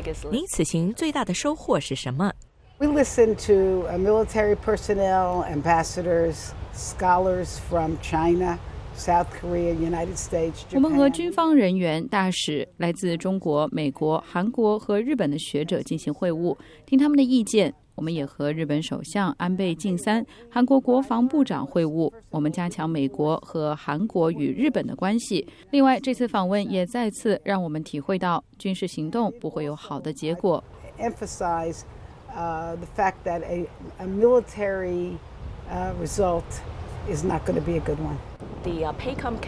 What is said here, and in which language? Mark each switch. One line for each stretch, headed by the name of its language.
Chinese: 您此行最大的收获是什么？
English: We listened to military personnel, ambassadors, scholars from China. South Korea, United States, Japan.
Chinese: 我们和军方人员、大使、来自中国、美国、韩国和日本的学者进行会晤，听他们的意见。我们也和日本首相安倍晋三、韩国国防部长会晤，我们加强美国和韩国与日本的关系。另外，这次访问也再次让我们体会到军事行动不会有好的结果。
English: Emphasize the fact that a military result is not going to be a good one.